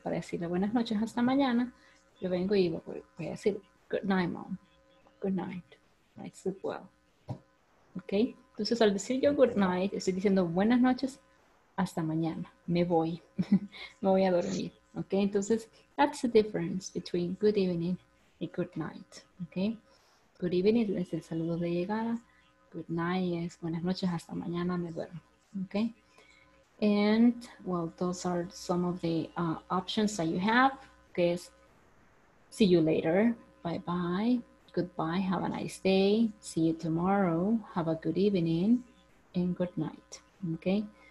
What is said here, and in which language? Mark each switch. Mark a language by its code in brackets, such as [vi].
[es] Para decirle buenas noches hasta mañana, yo vengo y voy a decir [en] good night, mom. Good night. Night sleep well. [es] Okay, entonces al decir yo good night, estoy diciendo buenas noches hasta mañana, me voy, me voy a dormir, ¿ok? Entonces, [en] that's the difference between good evening and good night, ¿ok? [es] Good evening es el saludo de llegada, good night es buenas noches, hasta mañana, me duermo, ¿ok? [en] And, well, those are some of the options that you have, [es] que es [en] see you later, bye-bye, goodbye, have a nice day, see you tomorrow, have a good evening, and good night, ¿ok?